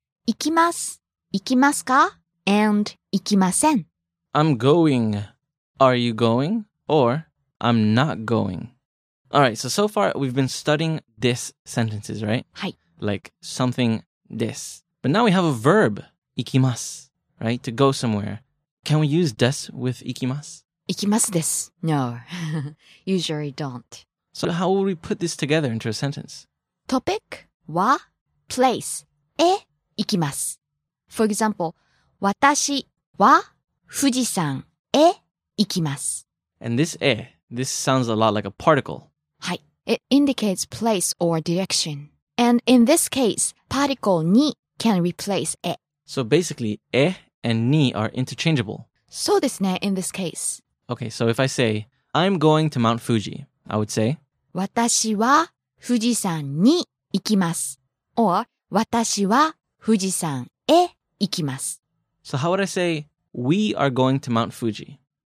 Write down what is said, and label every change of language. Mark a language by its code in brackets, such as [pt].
[ja] 行きます, 行きますか, and 行きません. [en] I'm going. Are you going? Or I'm not going. All right, so far we've been studying this sentences, right? [ja] はい. [en] Like something this. But now we have a verb, 行きます, right? To go somewhere. Can we use des with 行きます? [ja] 行きますです. [en] No, usually don't. So how will we put this together into a sentence? Topic wa? Place. E. Ikimasu. For example, [ja] watashi wa Fujisan e ikimasu. [en] And this e, this sounds a lot like a particle. Hai. It indicates place or direction. And in this case, particle ni can replace e. So basically, e and ni are interchangeable. So desu ne, in this case. Okay, so if I say, I'm going to Mount Fuji, I would say, [ja] watashi wa Fujisan ni ikimasu. Or, 私は富士山へ行きます. [en] So how would I say, we are going to Mount Fuji?